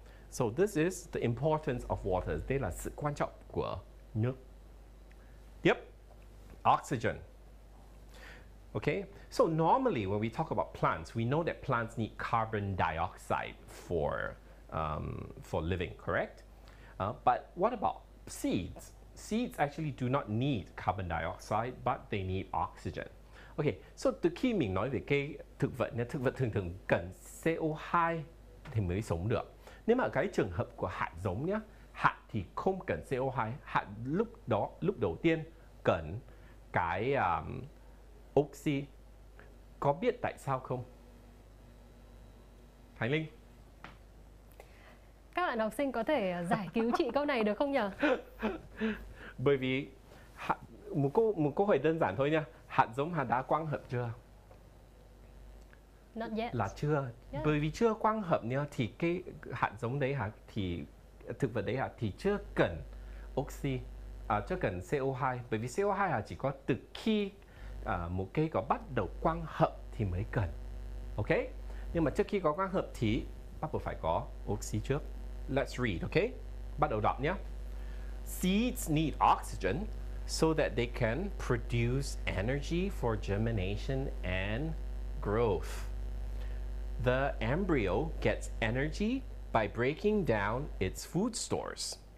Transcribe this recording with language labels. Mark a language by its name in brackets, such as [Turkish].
[English] So this is the importance of water. [Vietnamese] Đây là sự quan trọng của nước. [English] Yep. Oxygen. Okay, so normally when we talk about plants, we know that plants need carbon dioxide for living, correct? But what about seeds? Seeds actually do not need carbon dioxide, but they need oxygen. [Vietnamese] Okay, so từ khi mình nói về cây thực vật, nên thực vật thường thường cần CO2 thì mới sống được. Nếu mà cái trường hợp của hạt giống nhé, hạt thì không cần CO2, hạt lúc đầu tiên cần cái oxy. Có biết tại sao không? Khánh Linh? Các bạn học sinh có thể giải cứu chị câu này được không nhỉ? Bởi vì một câu hỏi đơn giản thôi nha. Hạt giống hạt đã quang hợp chưa? [English] Not yet. [Vietnamese] Là chưa. Yeah. Bởi vì chưa quang hợp nha, thì cái hạt giống đấy hả, thì thực vật đấy hả, thì chưa cần oxy. Chưa cần CO2, bởi vì CO2 chỉ có từ khi một cây có bắt đầu quang hợp thì mới cần. Ok? Nhưng mà trước khi có quang hợp thì bắt buộc phải có oxy trước. [English] Let's read, ok? [Vietnamese] Bắt đầu đọc nhé. [English] Seeds need oxygen so that they can produce energy for germination and growth. The embryo gets energy by breaking down its food stores.